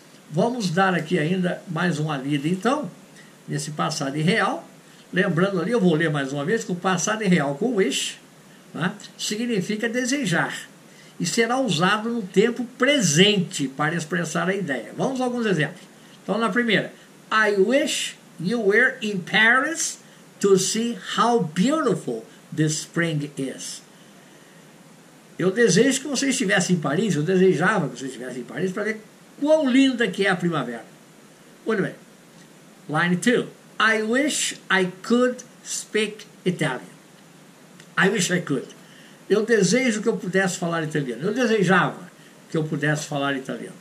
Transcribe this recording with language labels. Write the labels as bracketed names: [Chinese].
[Portuguese] Vamos dar aqui ainda mais uma lida, então, nesse passado irreal. Lembrando ali, eu vou ler mais uma vez, que o passado irreal com wish, né, significa desejar. E será usado no tempo presente para expressar a ideia. Vamos a alguns exemplos. Então, na primeira, [English] I wish you were in Paris to see how beautiful the spring is. [Portuguese] Eu desejo que você estivesse em Paris, eu desejava que você estivesse em Paris para ver quão linda que é a primavera. Muito bem. [English] Line 2. I wish I could speak Italian. I wish I could. [Portuguese] Eu desejo que eu pudesse falar italiano. Eu desejava que eu pudesse falar italiano.